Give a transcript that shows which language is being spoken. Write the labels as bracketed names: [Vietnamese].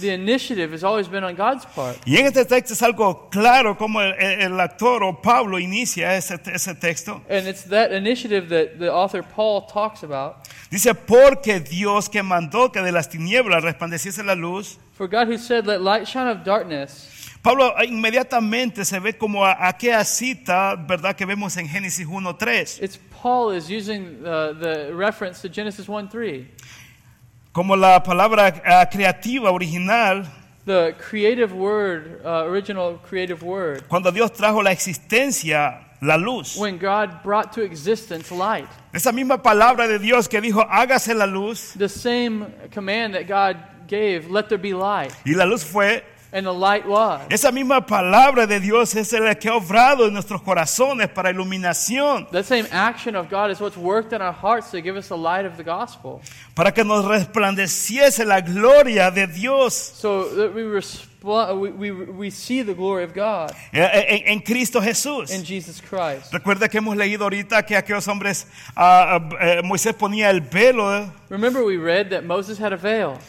[English] The initiative has always been on God's part. [Spanish] Y en este texto es algo claro como el autor o Pablo inicia ese texto. [English] And it's that initiative that the author Paul talks about. [Spanish] Dice, porque Dios que mandó que de las tinieblas resplandeciese la luz. [English] For God who said, let light shine of darkness. [Spanish] Pablo inmediatamente se ve como aquella cita, ¿verdad?, que vemos en Génesis 1:3. [English] It's Paul is using the reference to Genesis 1:3. [Spanish] Como la palabra creativa original. [English] The creative word, original creative word. [Spanish] Cuando Dios trajo la existencia, la luz. [English] When God brought to existence light. [Spanish] Esa misma palabra de Dios que dijo, hágase la luz. [English] The same command that God gave, let there be light. [Spanish] Y la luz fue. [English] And the light was. [Spanish] Esa misma palabra de Dios es la que ha obrado en nuestros corazones para iluminación. [English] That same action of God is what's worked in our hearts to give us the light of the gospel. [Spanish] Para que nos resplandeciese la gloria de Dios. [English] So that we see the glory of God. [Spanish] En Cristo Jesús. [English] In Jesus Christ. [Spanish] Recuerda que hemos leído ahorita que aquellos hombres, Moisés ponía el velo. [English] Remember we read that Moses had a veil.